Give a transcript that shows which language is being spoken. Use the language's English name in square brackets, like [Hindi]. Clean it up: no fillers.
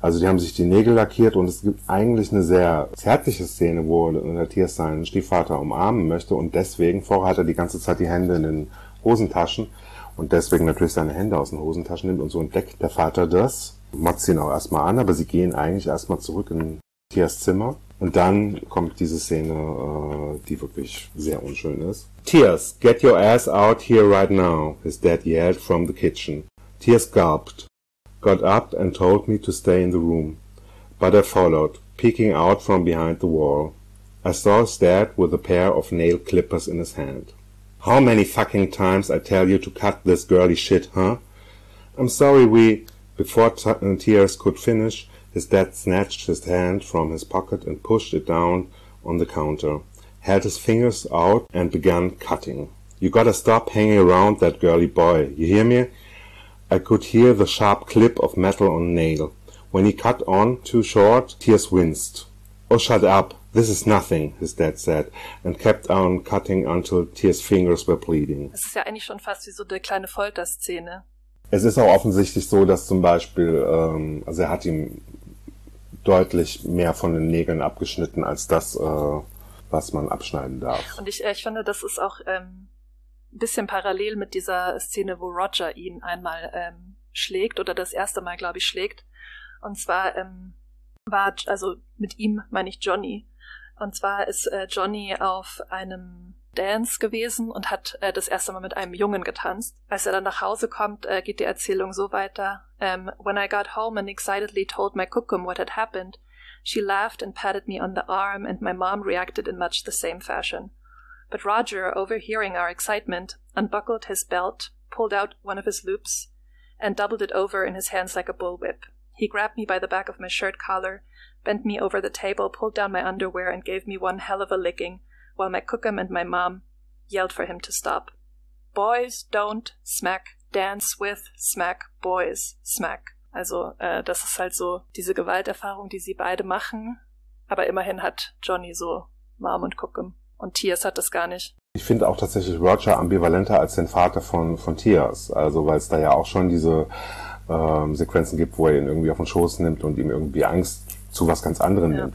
[German] Also die haben sich die Nägel lackiert und es gibt eigentlich eine sehr zärtliche Szene, wo Matthias seinen Stiefvater umarmen möchte und deswegen, vorher hat er die ganze Zeit die Hände in den Hosentaschen. Und deswegen natürlich seine Hände aus den Hosentaschen nimmt und so entdeckt der Vater das. Motzt ihn auch erstmal an, aber sie gehen eigentlich erstmal zurück in Tias Zimmer. Und dann kommt diese Szene, die wirklich sehr unschön ist. [English] Tears, get your ass out here right now, his dad yelled from the kitchen. Tears gulped, got up and told me to stay in the room. But I followed, peeking out from behind the wall. I saw his dad with a pair of nail clippers in his hand. How many fucking times I tell you to cut this girly shit, huh? I'm sorry we... Before Tears could finish, his dad snatched his hand from his pocket and pushed it down on the counter, held his fingers out and began cutting. You gotta stop hanging around that girly boy, you hear me? I could hear the sharp clip of metal on nail. When he cut on too short, Tears winced. Oh, shut up. This is nothing, his dad said, and kept on cutting until Tears' fingers were bleeding. [German] Es ist ja eigentlich schon fast wie so eine kleine Folterszene. Es ist auch offensichtlich so, dass zum Beispiel, also er hat ihm deutlich mehr von den Nägeln abgeschnitten, als das, was man abschneiden darf. Und ich finde, das ist auch ein bisschen parallel mit dieser Szene, wo Roger ihn einmal schlägt, oder das erste Mal, glaube ich, schlägt. Und zwar war, also mit ihm meine ich Johnny, und zwar ist Johnny auf einem Dance gewesen und hat das erste Mal mit einem Jungen getanzt. Als er dann nach Hause kommt, geht die Erzählung so weiter. [English] When I got home and excitedly told my cuckoo what had happened, she laughed and patted me on the arm and my mom reacted in much the same fashion. But Roger, overhearing our excitement, unbuckled his belt, pulled out one of his loops and doubled it over in his hands like a bullwhip. He grabbed me by the back of my shirt collar, bent me over the table, pulled down my underwear and gave me one hell of a licking, while my cookum and my mom yelled for him to stop. Boys don't smack, dance with smack, boys smack. [German] Also das ist halt so diese Gewalterfahrung, die sie beide machen, aber immerhin hat Johnny so Mom und cookum und Tears hat das gar nicht. Ich finde auch tatsächlich Roger ambivalenter als den Vater von Tears, also weil es da ja auch schon diese Sequenzen gibt, wo er ihn irgendwie auf den Schoß nimmt und ihm irgendwie Angst zu was ganz anderem nimmt.